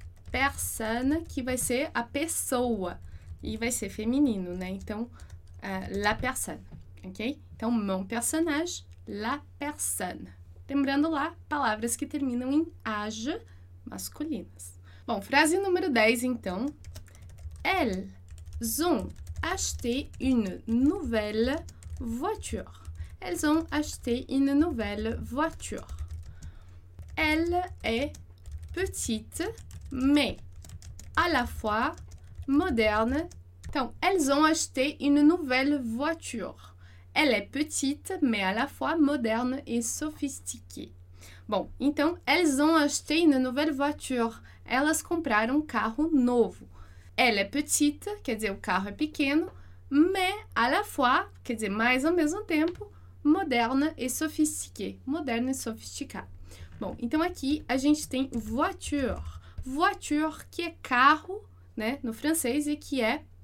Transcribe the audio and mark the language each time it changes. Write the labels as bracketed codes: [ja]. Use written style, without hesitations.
[pt] Persona, que vai ser a pessoa. E vai ser feminino, né? Então, la persona. Ok? Então, mon personnage, la persona. Lembrando lá, palavras que terminam em age, masculinas. Bom, frase número 10, então. [fr] Elles ont acheté une nouvelle voiture. Elles ont acheté une nouvelle voiture. Elle est petite, mais à la fois moderne. Então, elles ont acheté une nouvelle voiture. Elle est petite, mais à la fois moderne et sophistiquée. [pt] Bom, então, [fr] elles ont acheté une nouvelle voiture. [pt] Elas compraram um carro novo. [fr] Elle est petite, [pt] quer dizer, o carro é pequeno, [fr] mais à la fois, [pt] quer dizer, mais ao mesmo tempo, moderna e sophistiquée. Moderna e sofisticada. Bom, então aqui a gente tem voiture. Voiture, que é carro, né, no francês, e que é.